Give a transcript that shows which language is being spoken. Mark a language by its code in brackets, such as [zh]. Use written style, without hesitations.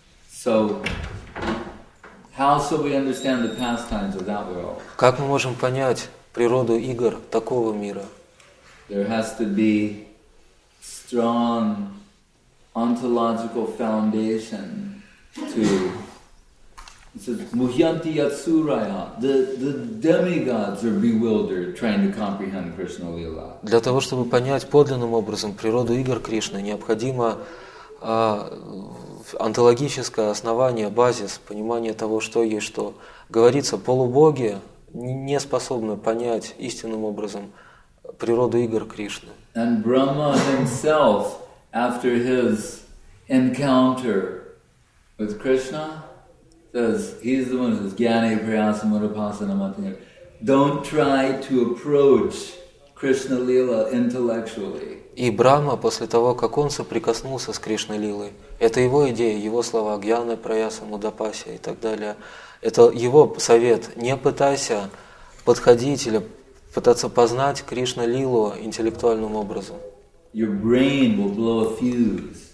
[en] So, how shall we understand the pastimes of that world? [ru] Как мы можем понять природу игр такого мира? [en] There has to be strong ontological foundation to it says muhyanti yatsuraya, the demigods are bewildered trying to comprehend Krishna lila. [ru] Для того чтобы понять подлинным образом природу игр Кришны, необходимо онтологическое основание, базис понимания того, что есть что. Говорится, полубоги не способны понять истинным образом природу игр Кришны. [en] And Brahma himself, after his encounter with Krishna, says he's the one who says Gyane Priyasam Udapasana Matinir. Don't try to approach Krishna Lila intellectually. [ru] И Брахма после того, как он соприкоснулся с Кришной Лилой, это его идея, его слова Гьяны Праясам Удапасе и так далее. Это его совет. Не пытайся подходить или пытаться познать Кришна Лилу интеллектуальным образом. [en] Your brain will blow a fuse.